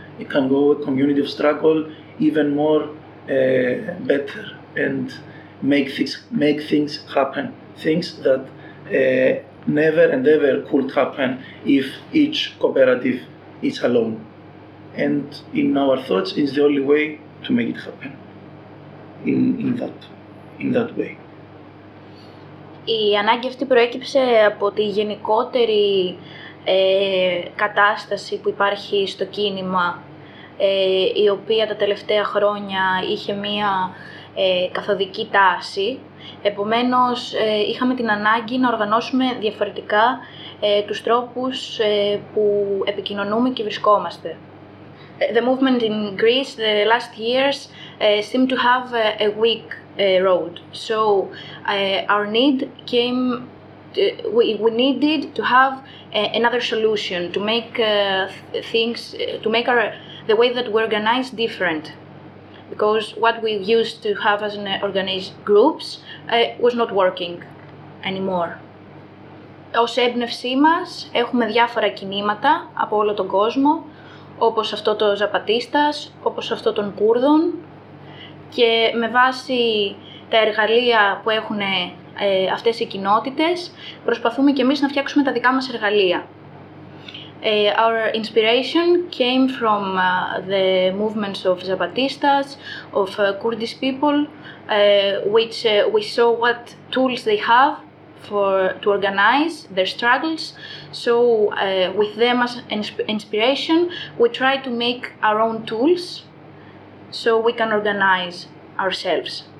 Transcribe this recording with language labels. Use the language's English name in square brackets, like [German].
[English] It can go a community of struggle even more better and make things happen. Things that never and ever could happen if each cooperative is alone. And in our thoughts, it's the only way to make it happen in that way. [Greek] Η ανάγκη αυτή προέκυψε από τη γενικότερη κατάσταση που υπάρχει στο κίνημα, η οποία τα τελευταία χρόνια είχε μία καθοδική τάση. Επομένως, είχαμε την ανάγκη να οργανώσουμε διαφορετικά τους τρόπους που επικοινωνούμε και βρισκόμαστε. [English] The movement in Greece the last years seemed to have a weak road. So our need came, we needed to have another solution to make things, to make our the way that we organize different. Because what we used to have as an organized groups was not working anymore. [Greek] Ως έμπνευσή μας έχουμε διάφορα κινήματα από όλο τον κόσμο, όπως αυτό το Ζαπατίστας, όπως αυτό των Κούρδων, και με βάση τα εργαλεία που έχουν αυτές οι κοινότητες, προσπαθούμε και εμείς να φτιάξουμε τα δικά μας εργαλεία. [English] Our inspiration came from the movements of Zapatistas, of Kurdish people, which we saw what tools they have for to organize their struggles. So with them as inspiration, we try to make our own tools so we can organize ourselves.